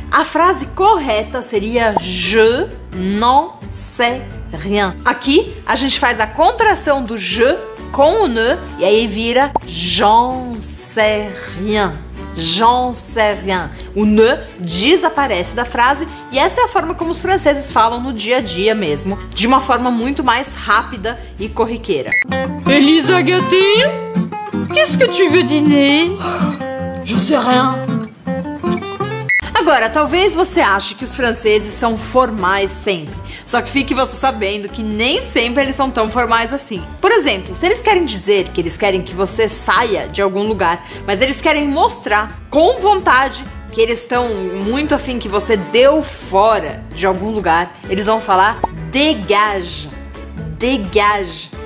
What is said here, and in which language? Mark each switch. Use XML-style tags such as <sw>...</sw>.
<pt>A frase correta seria je n'en sais rien. Aqui, a gente faz a contração do je com o ne e aí vira j'en sais rien. J'en sais rien. O ne desaparece da frase e essa é a forma como os franceses falam no dia a dia mesmo, de uma forma muito mais rápida e corriqueira.</pt> <fr>Elisa Gatinho, qu'est-ce que tu veux dîner? J'en sais rien.</fr> <pt>Agora, talvez você ache que os franceses são formais sempre. Só que fique você sabendo que nem sempre eles são tão formais assim. Por exemplo, se eles querem dizer que eles querem que você saia de algum lugar, mas eles querem mostrar com vontade que eles estão muito afim que você deu fora de algum lugar, eles vão falar dégage, dégage.</pt>